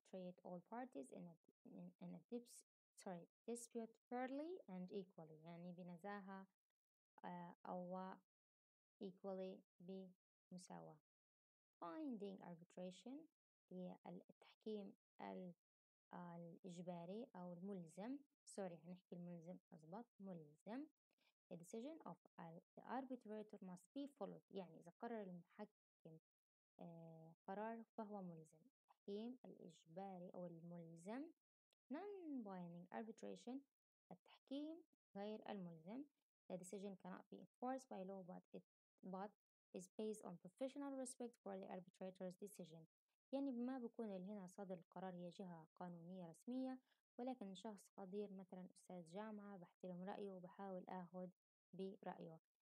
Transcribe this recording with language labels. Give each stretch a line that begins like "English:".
English: Treat all parties in a dispute fairly and equally.
Arabic: يعني بنزاهة أو equally بمساواة.
English: Binding arbitration.
Arabic: هي التحكيم الإجباري أو الملزم. سوري هنحكي الملزم أزبط ملزم.
English: The decision of the arbitrator must be followed.
Arabic: يعني إذا قرر المحكم قرار فهو ملزم. التحكيم الإجباري أو الملزم.
English: Non-binding arbitration.
Arabic: التحكيم غير الملزم.
English: The decision cannot be enforced by law, but is based on professional respect for the arbitrator's decision.
Arabic: يعني ما بكون هنا صادر القرار هي جهة قانونية رسمية، ولكن شخص قدير مثلا أستاذ جامعة بحترم رأيه وبحاول أخذ برأيه.